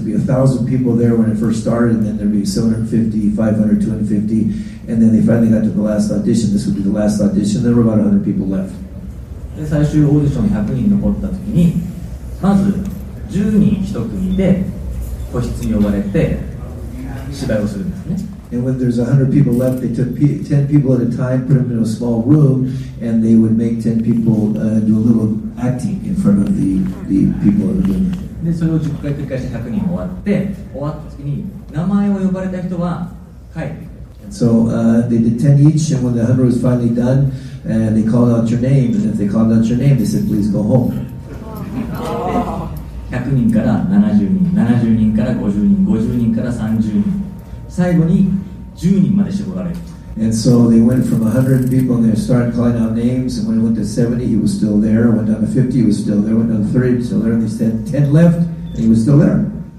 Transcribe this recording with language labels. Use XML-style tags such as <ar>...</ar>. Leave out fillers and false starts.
<en>There'd be 1,000 people there when it first started, and then there'd be 750, 500, 250, and then they finally got to the last audition. This would be the last audition. There were about 100 people left.</en> <ja>で、最終オーディションに100人残った時に、まず10人一組で個室に呼ばれて芝居をするんですね。</ja> <en>And when there's 100 people left, they took 10 people at a time, put them in a small room, and they would make 10 people do a little acting in front of the people in the room.</en> <ja>で、それを10回繰り返して100人終わって、終わった時に名前を呼ばれた人は帰る。</ja> <en>So they did 10 each, and when the 100 was finally done, they called out your name, and if they called out your name, they said, please go home.</en> <ja>100人から70人、70人から50人、50人から30人、最後に10人まで絞られる。</ja> <en>And so they went from 100 people and they started calling out names. And when it went to 70, he was still there. Went down to 50, he was still there. Went down to 30, he was still there. And they said 10 left, and he was still there.</en>